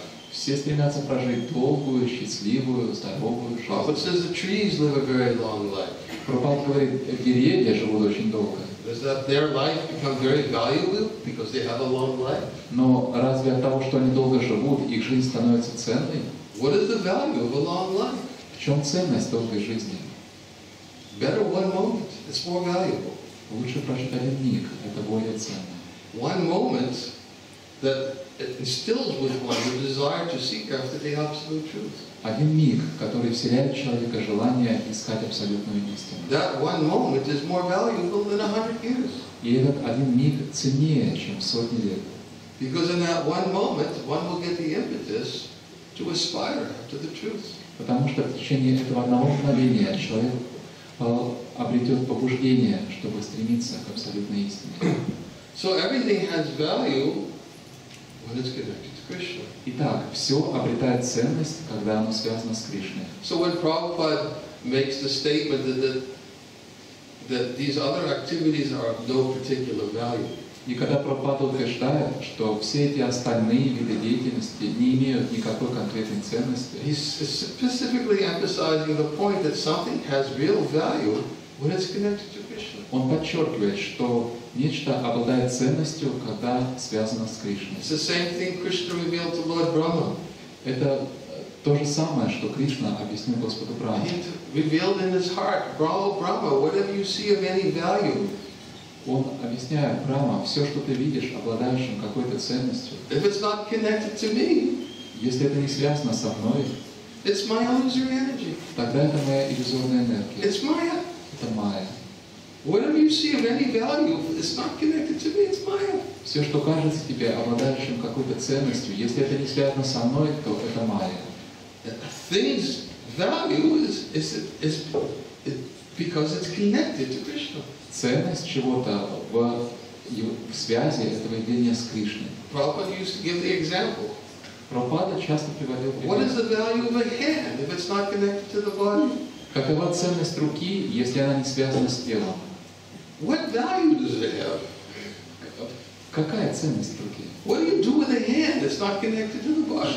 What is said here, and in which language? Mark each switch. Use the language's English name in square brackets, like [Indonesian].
[Russian] Все стремятся прожить долгую, счастливую, здоровую жизнь. Пропад говорит, деревья живут очень долго. [English] Does that their life become very valuable because they have a long life? [Russian] Но разве от того, что они долго живут, их жизнь становится ценной? [English] What is the value of a long life? [Russian] В чем ценность долгой жизни? [English] Better one moment. It's more valuable. [Russian] Лучше прожить один миг. Это более ценно. [English] One moment that instills with one the desire to seek after the absolute truth. [Russian] Один миг, который вселяет в человека желание искать абсолютную истину. [English] That one moment is more valuable than 100 years. [Russian] И этот один миг ценнее, чем сотни лет. [English] Because in that one moment, one will get the impetus to aspire to the truth. [Russian] Потому что в течение этого одного мгновения человек обретет побуждение, чтобы стремиться к абсолютной истине. [English] So everything has value when it's connected. Krishna. [Russian] Итак, все обретает ценность, когда оно связано с Кришной. [English] So when Prabhupada makes the statement that these other activities are of no particular value. [Russian] И когда Прабхупада утверждает, что все эти остальные виды деятельности не имеют никакой конкретной ценности. [English] He's specifically emphasizing the point that something has real value When it's connected to Krishna. [Russian] Он подчеркивает, что нечто обладает ценностью, когда связано с Кришной. [English] It's the same thing Krishna revealed to Lord Brahma. [Russian] Это то же самое, что Кришна объяснил Господу Брахме. [English] He revealed in his heart, Brahma, Brahma, whatever you see of any value. [Russian] Он объясняет Брахма, все, что ты видишь, обладающим какой-то ценностью. [English] If it's not connected to me. [Russian] Если это не связано со мной. [English] It's my illusory energy. [Russian] Тогда это моя иллюзорная энергия. [English] It's Maya. [Russian] Это Майя. [English] Whatever you see of any value, it's not connected to me. It's Maya. [Russian] Все, что кажется тебе обладающим какой-то ценностью, если это не связано со мной, то это Майя. [English] Things value is because it's connected to Krishna. [Russian] Ценность чего-то в связи этого явления с Кришной. [English] Prabhupada used to give the example. [Russian] Прабхупада часто приводил пример. [English] What is the value of a hand if it's not connected to the body? [Russian] Какова ценность руки, если она не связана с телом? [English] What value does it have? [Russian] Какая ценность руки? [English] What do you do with a hand that's not connected to the body?